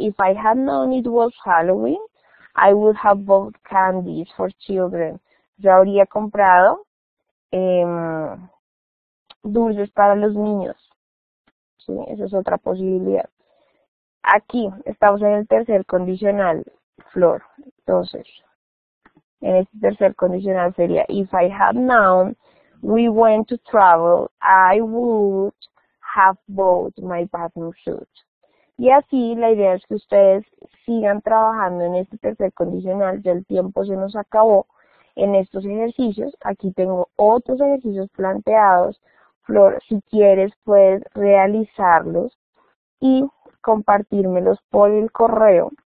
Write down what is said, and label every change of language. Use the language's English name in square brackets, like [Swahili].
[English] If I had known it was Halloween, I would have bought candies for children. [Spanish] Yo habría comprado dulces para los niños. Sí, esa es otra posibilidad. Aquí estamos en el tercer condicional, Flor. Entonces, en este tercer condicional sería, [English] if I had known we went to travel, I would have bought my bathroom suit. [Spanish] Y así la idea es que ustedes sigan trabajando en este tercer condicional. Ya el tiempo se nos acabó en estos ejercicios. Aquí tengo otros ejercicios planteados. Flor, si quieres, puedes realizarlos y compartírmelos por el correo.